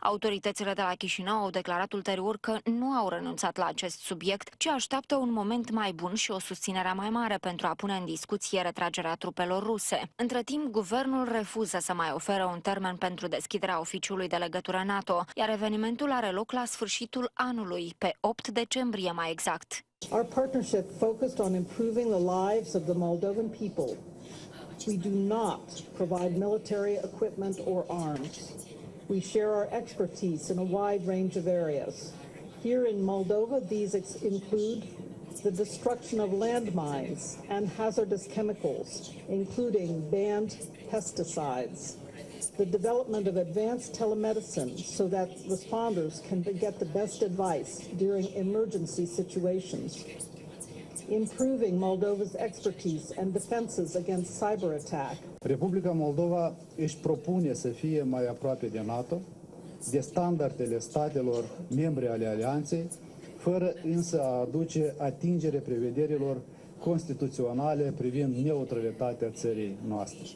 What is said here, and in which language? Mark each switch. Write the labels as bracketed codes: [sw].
[ro] Autoritățile de la Chișinău au declarat ulterior că nu au renunțat la acest subiect, ci așteaptă un moment mai bun și o susținere mai mare pentru a pune în discuție retragerea trupelor ruse. Între timp, guvernul refuză să mai ofere un termen pentru deschiderea oficiului de legătură NATO, iar evenimentul are loc la sfârșitul anului, pe 8 decembrie mai exact. [en] Our partnership focused on improving the lives of the Moldovan people. We do not provide military equipment or arms. We share our expertise in a wide range of areas. Here in Moldova, these include the destruction of landmines and hazardous chemicals, including banned pesticides. The development of advanced telemedicine so that responders can get the best advice during emergency situations. Improving Moldova's expertise and defenses against cyber attack. [ro] Republica Moldova își propune să fie mai aproape de NATO, de standardele statelor membre ale alianței, fără însă a aduce atingere prevederilor constituționale privind neutralitatea țării noastre.